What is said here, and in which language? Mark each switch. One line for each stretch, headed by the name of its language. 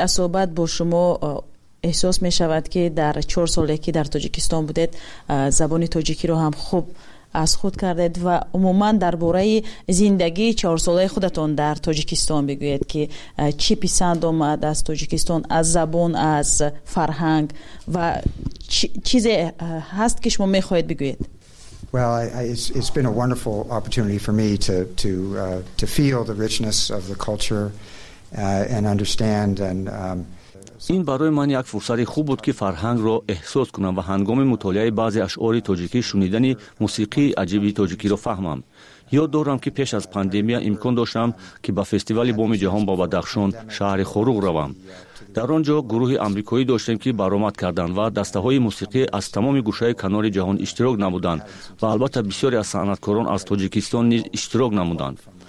Persian: از صحبت با شما احساس می شود که در 4 ساله که در تاجیکستان بودید زبان تاجیکی را هم خوب از خود کردید و عموماً درباره زندگی 4 ساله خودتون در تاجیکستان بگویید که چی پسند آمد از تاجیکستان، از زبان، از فرهنگ و چیزی هست که شما میخواهید بگویید.
English: Well, it's been a wonderful opportunity for me to feel the richness of the culture and understand and
Persian: این برای من یک فرصت خوب بود که فرهنگ را احساس کنم و هنگام مطالعه بعضی اشعار تاجیکی شنیدن موسیقی عجیبی تاجیکی را فهمم. یاد دارم که پیش از پاندمی امکان داشتم که به فستیوال بوم جهان با بدخشان شهر خروق روم. در آنجا گروه آمریکایی داشتیم که برآمد کردند و دسته های موسیقی از تمام گوشه کنار جهان اشتراک نمودند و البته بسیاری از صنعتکاران از تاجیکستان نیز اشتراک نمودند.